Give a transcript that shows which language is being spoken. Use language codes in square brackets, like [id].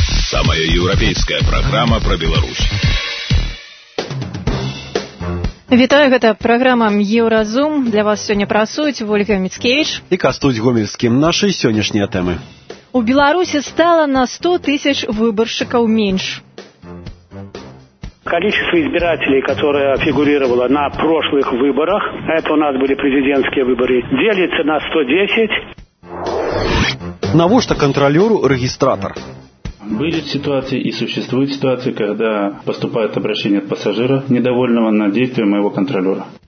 [ru] Самая европейская программа про Беларусь. [be] Вітаю, гэта праграма Еўразум. Для вас сёння працуюць Вольга Міцкевіч і Кастусь Гомельскі. Нашы сённяшнія тэмы. У Беларусі стала на 100 тысяч выбаршчыкаў менш. [ru] Количество избирателей, которое фигурировало на прошлых выборах, это у нас были президентские выборы, делится на 110. [be] Навошта контролёру регистратор? [ru] Были ситуации и существуют ситуации, когда поступает обращение от пассажира, недовольного на действия моего контролера.